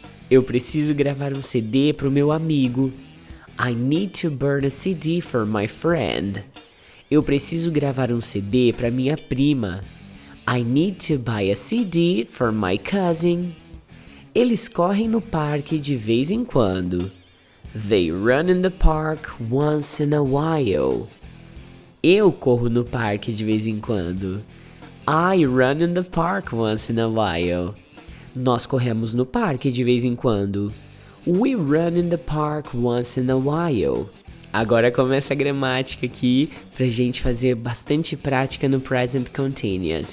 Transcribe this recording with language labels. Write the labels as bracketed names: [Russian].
[Portuguese] Eu preciso gravar um CD para o meu amigo. [English] I need to burn a CD for my friend. [Portuguese] Eu preciso gravar um CD para minha prima. [English] I need to buy a CD for my cousin. [Portuguese] Eles correm no parque de vez em quando. [English] They run in the park once in a while. [Portuguese] Eu corro no parque de vez em quando. [English] I run in the park once in a while. [Portuguese] Nós corremos no parque de vez em quando. [English] We run in the park once in a while. [Portuguese] Agora começa a gramática aqui pra gente fazer bastante prática no present continuous.